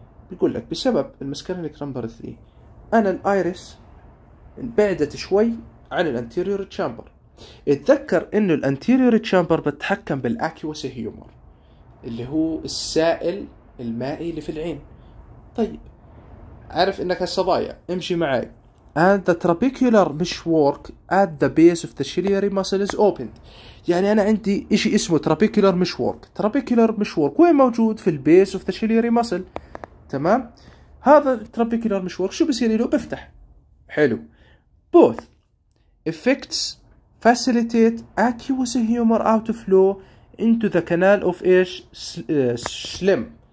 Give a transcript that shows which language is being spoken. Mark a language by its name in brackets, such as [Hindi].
[Arabic] بيقول لك بسبب المسكرينك نمبر 3 انا الايريس بعدت شوي عن الانتيريور تشامبر. اتذكر انه الانتيريور تشامبر بتحكم بالاكيوس هيومر اللي هو السائل المائي اللي في العين. طيب عارف انك هسه ضايع امشي معي. [English] And the trabecular meshwork at the base of the ciliary muscle is opened. [Arabic] يعني انا عندي اشي اسمه trabecular meshwork. trabecular meshwork وين موجود؟ في [English] البيس of the ciliary muscle. [Arabic] تمام. هذا trabecular meshwork شو بصير له؟ بفتح. حلو. [English] both effects facilitate aqueous humor outflow into the canal of ايش؟ Schlemm.